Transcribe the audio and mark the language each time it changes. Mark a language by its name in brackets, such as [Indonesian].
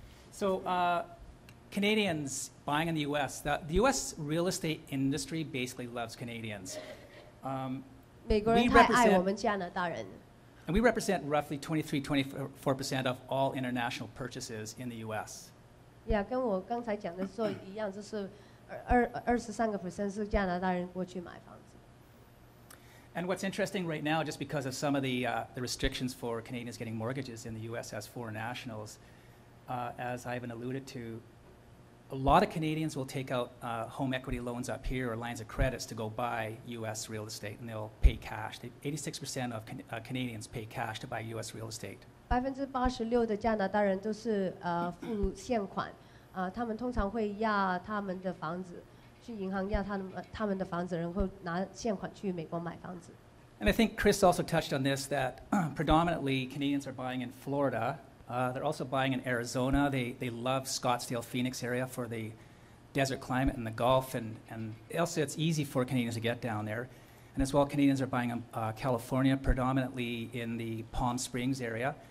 [English] So Canadians buying in the U.S., the U.S. real estate industry basically loves Canadians. And we represent roughly 23-24% of all international purchases in the U.S. Yeah, [Chinese] 跟我刚才讲的时候一样, 23%是加拿大人过去买房子。 [English] And what's interesting right now, just because of some of the restrictions for Canadians getting mortgages in the U.S. as foreign nationals, as Ivan alluded to, a lot of Canadians will take out home equity loans up here or lines of credits to go buy U.S. real estate, and they'll pay cash. 86% of Canadians pay cash to buy U.S. real estate. [Chinese] 86%的加拿大人都是付现款。他们通常会押他们的房子，去银行押他们的房子，然后拿现款去美国买房子。 [English] And I think Chris also touched on this, that predominantly Canadians are buying in Florida. They're also buying in Arizona. They love Scottsdale, Phoenix area for the desert climate and the Gulf, and also it's easy for Canadians to get down there. And as well, Canadians are buying in California, predominantly in the Palm Springs area.